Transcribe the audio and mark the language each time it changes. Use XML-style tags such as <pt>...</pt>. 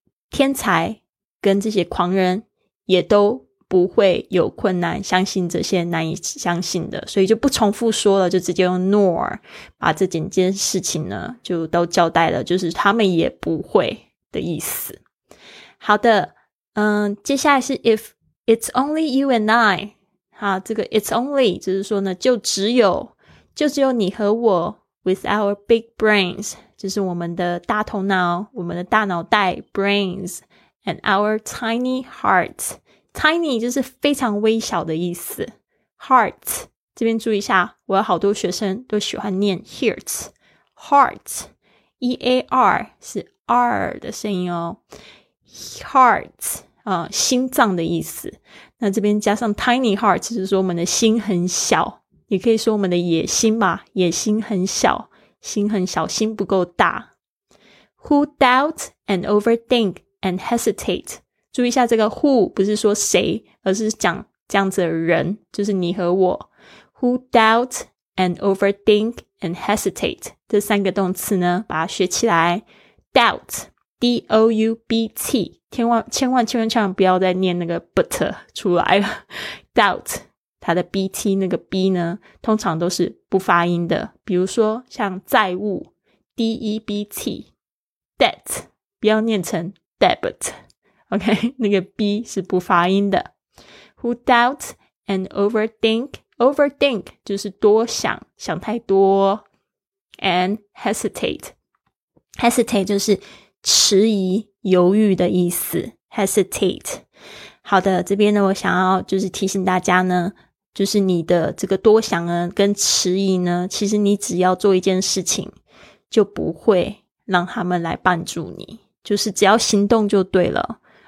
<zh>天才跟这些狂人也都不会有困难，相信这些难以相信的，所以就不重复说了，就直接用 nor 把这整件事情呢就都交代了，就是他们也不会的意思。好的，接下来是</zh> <en>if it's only you and I，</en> <zh>好，这个 it's only 就是说呢就只有你和我</zh> <en>with our big brains，</en> <zh>就是我们的大头脑，我们的大脑袋</zh> <en>brains and our tiny hearts。</en> <zh>Tiny 就是非常微小的意思， heart 这边注意一下，我有好多学生都喜欢念 hearts， heart E-A-R 是 R 的声音哦， heart 心脏的意思，那这边加上 tiny heart 就是说我们的心很小，也可以说我们的野心吧，野心很小，心很小，心不够大。</zh> <en>Who doubt and overthink and hesitate，</en> <zh>注意一下这个 who 不是说谁，而是讲这样子的人，就是你和我。</zh> <en>Who doubt and overthink and hesitate，</en> <zh>这三个动词呢把它学起来。 doubt D-O-U-B-T， 千万不要再念那个 but 出来了。 doubt 它的 B-T 那个 B 呢通常都是不发音的，比如说像债务 D-E-B-T， debt 不要念成 debit，OK， 那个 B 是不发音的。</zh> <en>Who doubt and overthink，</en> <zh>overthink 就是多想，想太多。</zh> <en>And hesitate，</en> <zh>hesitate 就是迟疑犹豫的意思， hesitate。好的，这边呢我想要就是提醒大家呢，就是你的这个多想呢跟迟疑呢，其实你只要做一件事情就不会让他们来帮助你，就是只要行动就对了。</zh>